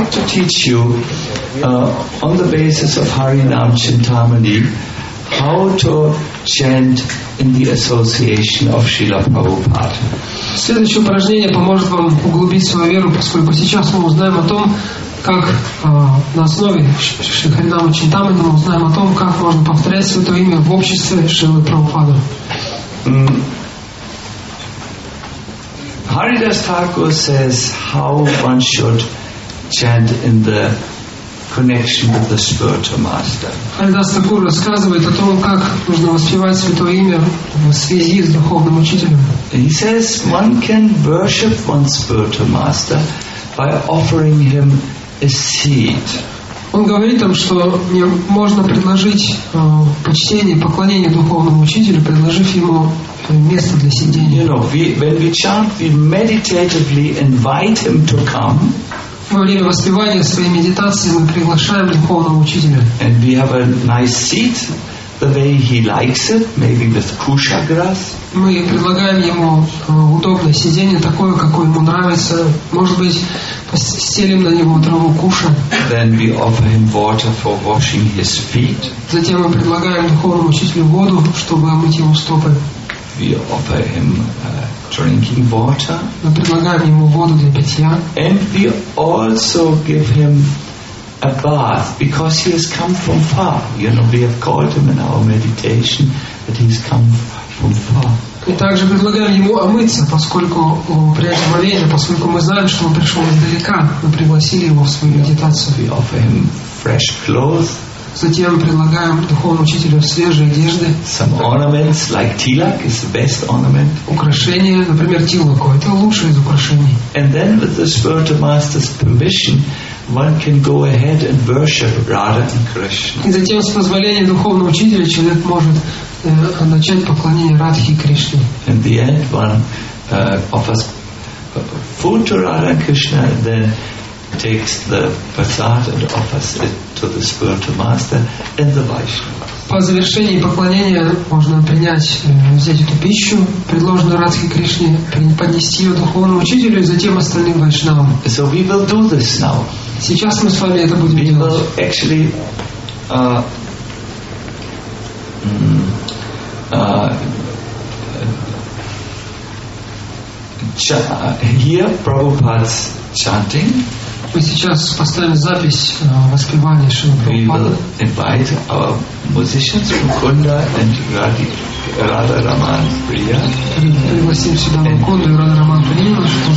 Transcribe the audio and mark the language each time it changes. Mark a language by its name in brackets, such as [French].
[English] Teach you on the basis of Harinam Chintamani how to chant in the association of Srila Prabhupada. [Russian] Следующее упражнение поможет вам углубить свою веру, поскольку сейчас мы узнаем о том, как на основе Шихаридама Чинтамани мы узнаем о том, как можно повторять Святое Имя в обществе Шрилы Прабхупады. [English] Haridas Thakur says how one should chant in the connection with the spiritual master. [Russian] Haridas Thakur рассказывает о том, как нужно воспевать Святое Имя в связи с духовным учителем. [English] He says one can worship one's spiritual master by offering him a seed. [Russian] Он говорит там, что можно предложить почтение, поклонение духовному учителю, предложив ему место для сидения. [English] You know, when we chant, we meditatively invite him to come. [Russian] Во время воспевания своей медитации мы приглашаем духовного учителя. [English] And we have a nice seat, the way he likes it, maybe with kusha grass. [Russian] Мы предлагаем ему удобное сидение, такое, какое ему нравится. Может быть, стелим на него траву куша. [English] Then we offer him water for washing his feet. [Russian] Затем мы предлагаем духовному учителю воду, чтобы омыть его стопы. [English] We offer him drinking water. [Russian] Мы предлагаем ему воду для питья. [English] And we also give him a bath because he has come from far. You know, we have called him in our meditation that he's come from far. [Russian] И также предлагаем ему омыться, поскольку при этом время, поскольку мы знаем, что он пришел издалека, мы пригласили его в свою медитацию. [English] We offer him fresh clothes. [Russian] Затем предлагаем духовному учителю свежие одежды. [English] Some ornaments, like tilak, is the best ornament. [Russian] Украшения, например, тилаку, это лучшее из украшений. [English] And then, with the spiritual master's permission, one can go ahead and worship Radha and Krishna. [Russian] И затем, с позволения духовного учителя, человек может начать поклонение Радхе и Кришне. [English] In the end, one offers food to Radha and Krishna, and then takes the prasad and offers it to the spiritual master and the Vaishnava. [Russian] По завершении поклонения можно принять, взять эту пищу, предложенную Радхе Кришне, поднести ее духовному учителю и затем остальным Вайшнавам. [English] So we will do this now. [Russian] Сейчас мы с вами это будем [English] we [Russian] делать. [English] Will actually hear Prabhupada's chanting. [Russian] Мы сейчас поставим запись воспевания Шрилы Прабхупады. [English] We will invite our musicians Mukunda and Radha Raman Priya. [Russian] Пригласим сюда Мукунду и Радха Раман Прия, чтобы